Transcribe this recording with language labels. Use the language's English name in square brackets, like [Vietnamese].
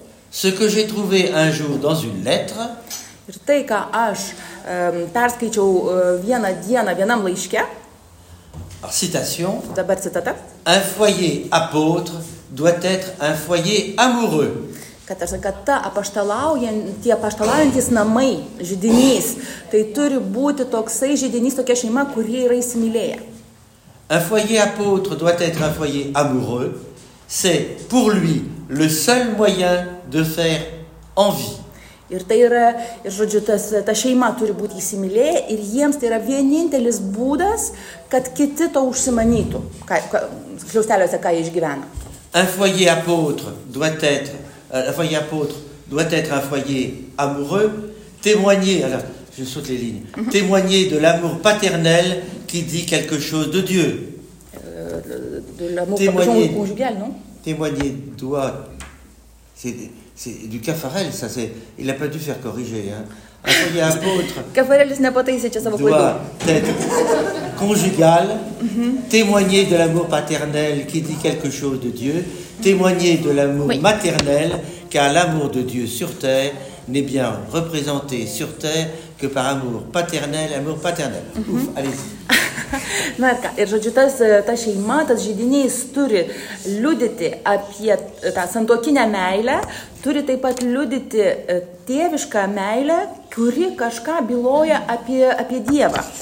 [French] Ce que j'ai trouvé un jour dans une lettre. [Lithuanian] Ir tai, ką aš perskaičiau vieną dieną vienam laiške. [French] Citation. [Lithuanian] Dabar citata. [French] Un foyer apôtre doit être un foyer amoureux. [Lithuanian] Kad aš sakau, kad ta apaštalaujantys namai, židinys, tai turi būti toksai židinys, tokia šeima, kurie yra įsimylėję. [French] Un foyer apôtre doit être un foyer amoureux. c'est pour lui le seul moyen de faire envie. [Lithuanian] Ir tai yra, ir žodžiu, tas, ta šeima turi būti įsimylėję ir jiems tai yra vienintelis būdas, kad kiti to užsimanytų, kliausteliuose ką išgyvena. [French] Un foyer apôtre doit être, un foyer apôtre doit être un foyer amoureux, témoigner, alors, je saute les lignes, témoigner de l'amour paternel qui dit quelque chose de Dieu. De l'amour conjugal, non? Témoigner doit... C'est du Caffarel, ça, c'est... Il n'a pas dû faire corriger, hein. Un foyer apôtre doit être conjugal, témoigner de l'amour paternel qui dit quelque chose de Dieu, témoigner de l'amour maternel, car l'amour de Dieu sur terre n'est bien représenté sur terre que par amour paternel, amour paternel. Ouf, allez-y. [Lithuanian] Na ir ką, ir žodžiu, tas, ta šeima, tas žydinys turi liudyti apie tą santuokinę meilę, turi taip pat liudyti tėvišką meilę, kuri kažką byloja apie Dievą.